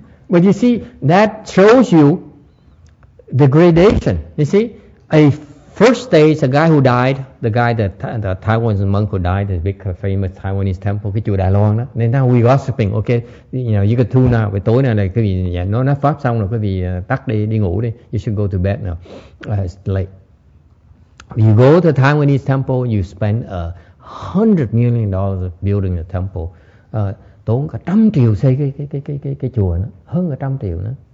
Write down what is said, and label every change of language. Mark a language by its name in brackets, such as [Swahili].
[English] But you see, that shows you the gradation. You see, a first stage, a guy who died, the guy that the Taiwanese monk who died, the big famous Taiwanese temple, [Vietnamese] cái chùa Đài Loan đó. [English] Then now we gossiping, okay? You know, you could tune now. [Vietnamese] Về tối nay này, quý vị nó nói pháp xong rồi, quý vị tắt đi ngủ đi. [English] You should go to bed now. It's late. You go to Taiwanese temple, you spend $100 million building the temple. [Vietnamese] Tốn cả 100 triệu xây cái chùa nó, hơn cả 100 triệu nữa.